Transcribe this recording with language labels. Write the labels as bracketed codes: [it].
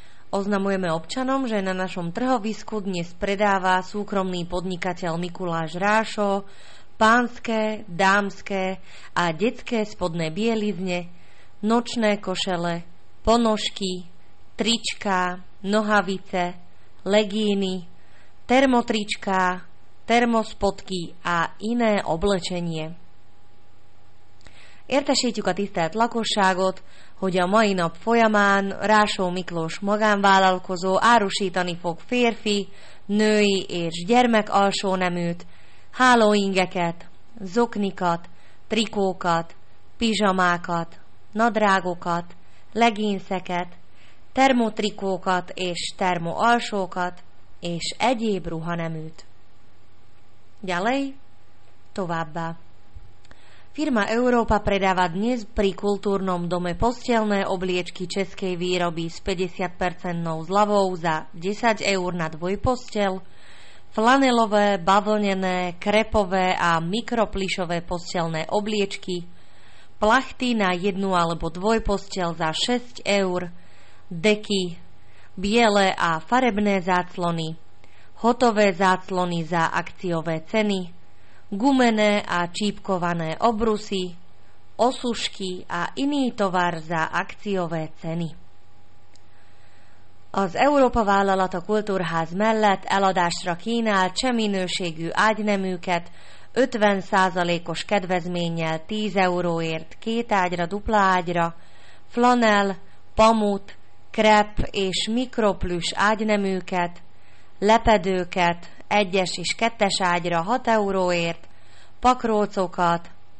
[sk] Oznamujeme občanom, že na našom trhovisku dnes predáva súkromný podnikateľ Mikuláš Rášo pánske, dámske a detské spodné bielizne, nočné košele, ponožky, trička, nohavice, legíny, termotrička, termospodky a iné oblečenie. [hu] Értesítjük a tisztelt lakosságot, hogy a mai nap folyamán Rásó Miklós magánvállalkozó árusítani fog férfi, női és gyermek alsóneműt, hálóingeket, zoknikat, trikókat, pizsamákat, nadrágokat, legínszeket, termotrikókat és termoalsókat és egyéb ruhaneműt. [sk] Ďalej, [hu] továbbá. [sk] Firma Európa predáva dnes pri kultúrnom dome posteľné obliečky českej výroby s 50% zľavou za 10 eur na dvojposteľ, flanelové, bavlnené, krepové a mikroplišové posteľné obliečky, plachty na jednu alebo dvojposteľ za 6 eur, deky, biele a farebné záclony, hotové záclony za akciové ceny, gumené a čípkované obrusy, osušky a iný tovar za akciové ceny. [hu] Az Európa vállalat a kultúrház mellett eladásra kínál cseh minőségű ágyneműket 50%-os kedvezménnyel 10 euróért két ágyra, dupla ágyra, flanel, pamut, krep és mikroplüs ágyneműket, lepedőket, egyes és kettes ágyra 6 euróért, pakrócokat,